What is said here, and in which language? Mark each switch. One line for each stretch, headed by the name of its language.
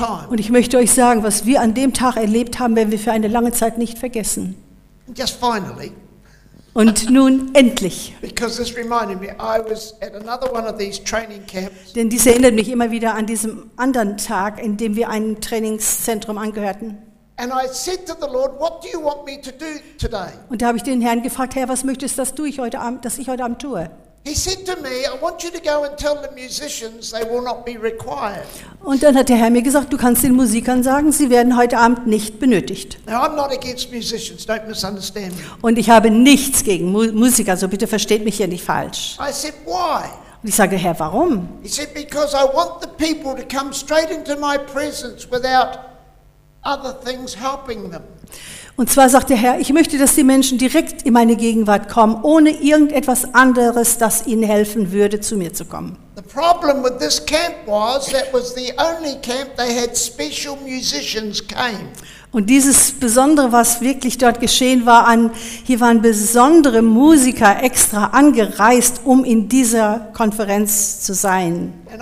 German: Und ich möchte euch sagen, was wir an dem Tag erlebt haben, werden wir für eine lange Zeit nicht vergessen.
English: Just finally.
German: Und nun endlich.
English: Because this reminded me, I was at another one of these training camps.
German: Denn dies erinnert mich immer wieder an diesem anderen Tag, in dem wir einem Trainingszentrum angehörten.
English: And I said to the Lord, what do you want me to do today?
German: Und da habe ich den Herrn gefragt, Herr, was möchtest du, dass ich heute Abend tue?
English: He said to me, I want you to go and tell the musicians they will not be required.
German: Und dann hat der Herr mir gesagt, du kannst den Musikern sagen, sie werden heute Abend nicht benötigt.
English: Now, I'm not against musicians, don't misunderstand me.
German: Und ich habe nichts gegen Musiker, so bitte versteht mich hier nicht falsch.
English: I said, why?
German: Und ich sage, Herr, warum?
English: He said, because I want the people to come straight into my presence without other things helping them.
German: Und zwar sagt der Herr, ich möchte, dass die Menschen direkt in meine Gegenwart kommen, ohne irgendetwas anderes, das ihnen helfen würde, zu mir zu kommen.
English: The problem with this camp was, that was the only camp they had special musicians came.
German: Und dieses Besondere, was wirklich dort geschehen war, hier waren besondere Musiker extra angereist, um in dieser Konferenz zu sein.